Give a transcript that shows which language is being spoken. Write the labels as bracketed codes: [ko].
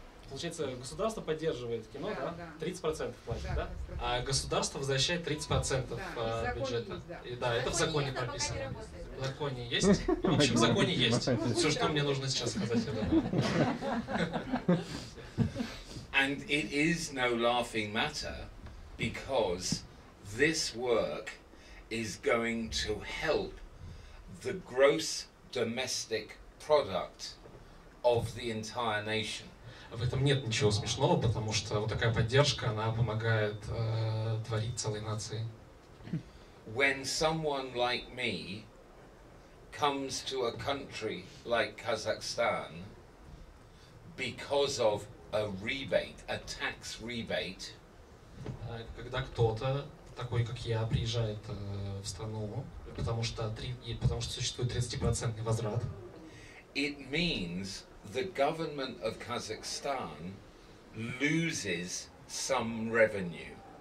[ru] Получается, государство поддерживает кино, да? 30% платит, да? А государство возвращает 30% бюджета. Да, это в законе прописано. В законе есть? В общем, в законе есть. Все, что мне нужно сейчас сказать, я думаю. [en] And it is no laughing matter, because this work is going to help the gross domestic product of the entire nation. [ru] В этом нет ничего смешного, потому что вот такая поддержка, она помогает творить целой нации. [en] When someone like me comes to a country like Kazakhstan because of a rebate, a tax rebate, [ru] когда кто-то такой, как я, приезжает в страну, потому что существует 30% возврат, [en] it means the government of Kazakhstan loses some revenue.